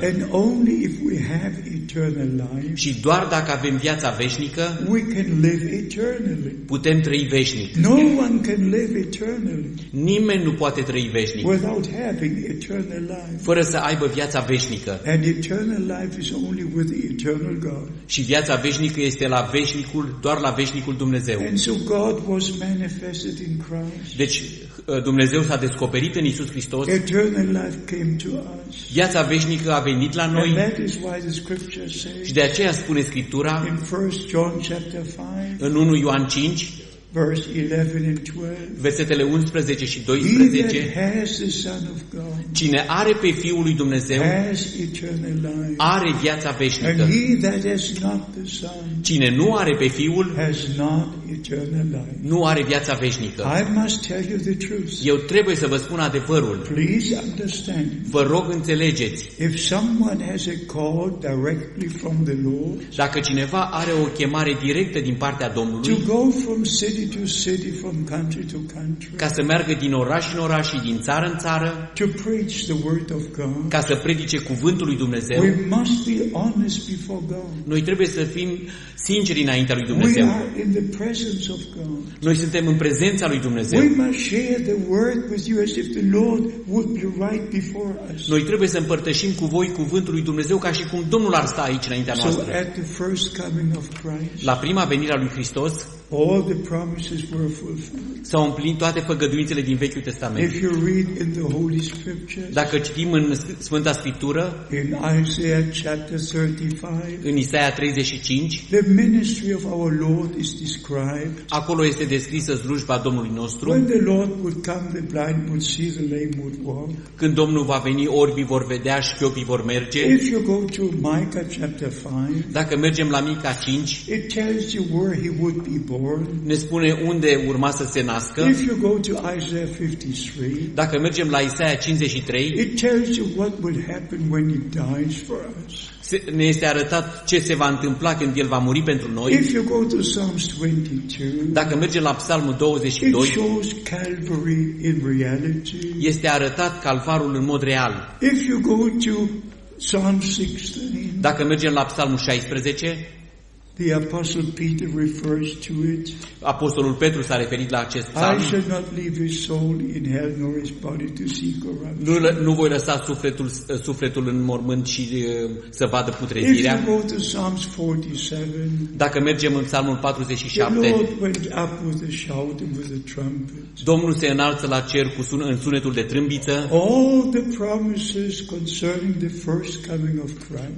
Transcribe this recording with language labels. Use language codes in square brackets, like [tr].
[en] And only if we have eternal life, [ro] și doar dacă avem viața veșnică, [en] we can live eternally. [ro] Putem trăi veșnic. [en] No one can live eternally. [ro] Nimeni nu poate trăi veșnic [en] without having eternal life. [ro] Fără să aibă viața veșnică. [en] And eternal life is only with the eternal God. [ro] Și viața veșnică este la veșnicul, doar la veșnicul Dumnezeu. [en] And so God was manifested in Christ. [ro] Deci Dumnezeu s-a descoperit în Iisus Hristos. [en] Eternal life came to us. [ro] Viața veșnică a venit la noi. [en] And that is why the scripture says, [ro] și de aceea spune Scriptura [en] in 1 John chapter 5, [ro] în 1 Ioan 5, [en] verse 11 and 12, [ro] versetele 11 și 12, [en] he that has the Son of God, [ro] cine are pe Fiul lui Dumnezeu [en] has eternal life, [ro] are viața veșnică. [en] And he that has not the Son, [ro] cine nu are pe Fiul [en] has not eternal life, [ro] nu are viața veșnică. [en] I must tell you the truth. [ro] Eu trebuie să vă spun adevărul. [en] Please understand. [ro] Vă rog, înțelegeți. [en] If someone has a call directly from the Lord, [ro] dacă cineva are o chemare directă din partea Domnului, [en] to go from city to city, from country to country, [ro] ca să meargă din oraș în oraș și din țară în țară, [en] to preach the word of God, [ro] ca să predice cuvântul lui Dumnezeu, [en] we must be honest before God. [ro] Noi trebuie să fim sinceri înaintea lui Dumnezeu. [en] We are in the presence of God. [ro] Noi suntem în prezența lui Dumnezeu. [en] We must share the word with you as if the Lord would be right before us. [ro] Noi trebuie să împărtășim cu voi cuvântul lui Dumnezeu ca și cum Domnul ar sta aici înaintea noastră. [en] So at the first coming of Christ, [ro] la prima venire a lui Hristos, [en] all the promises were fulfilled. [ro] S-au împlinit toate făgăduințele din Vechiul Testament. [en] If you read in the Holy Scriptures, [ro] dacă citim în Sfânta Scriptură, [en] in Isaiah chapter 35, [ro] în Isaia 35, [en] the ministry of our Lord is described. [ro] Acolo este descrisă slujba Domnului nostru. [en] When the Lord would come, the blind would see, the lame would walk. [ro] Când Domnul va veni, orbii vor vedea și șchiopii vor merge. [en] If you go to Micah chapter 5, [ro] dacă mergem la Mica 5, [en] it tells you where he would be born. [ro] Ne spune unde urma să se nască. [en] If you go to Isaiah 53, [ro] dacă mergem la Isaia 53, [en] it tells you what will happen when he dies for us. [ro] Ne este arătat ce se va întâmpla când El va muri pentru noi. [en] If you go to Psalms 22, [ro] dacă mergem la Psalmul 22, [en] it shows Calvary in reality. [ro] Este arătat Calvarul în mod real. [en] If you go to Psalm 16, [ro] dacă mergem la Psalmul 16, [en] The apostle Peter refers to it. [ro] Apostolul Petru s-a referit la acest psalm. [en] I shall not leave his soul in hell nor his body to see corruption. [ro] Nu voi lăsa sufletul în mormânt și să vadă putrezirea. [en] If you go to Psalms 47. [ro] Dacă mergem în Psalmul 47. [en] The Lord went up with a shout and with a trumpet. [ro] Domnul se înalță la cer cu sunetul de trâmbiță. [en] All the promises concerning the first coming of Christ.